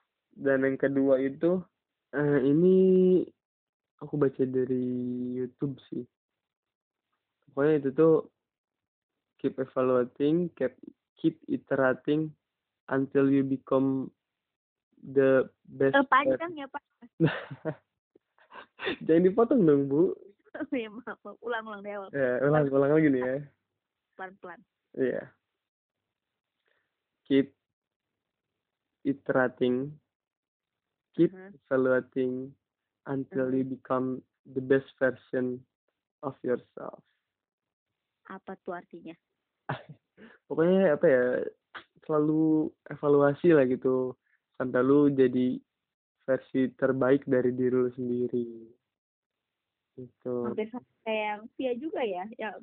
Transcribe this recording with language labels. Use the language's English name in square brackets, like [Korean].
[Indonesian] Dan yang kedua itu, ini aku baca dari YouTube sih. [English] Pokoknya itu tuh keep evaluating, keep iterating until you become the best player. [Indonesian] Panjang ya, Pak. Jangan dipotong dong, Bu. Ya, maaf. Ulang-ulang deh. Ya, ulang, ulang lagi nih ya. Pelan-pelan. Iya. Yeah. [English] Keep iterating, keep evaluating until you become the best version of yourself. [Indonesian] Apa tuh artinya? Pokoknya apa ya, selalu evaluasi lah gitu sampai lu jadi versi terbaik dari diri lu sendiri. Itu. Hampir sampai yang Fia juga ya, ya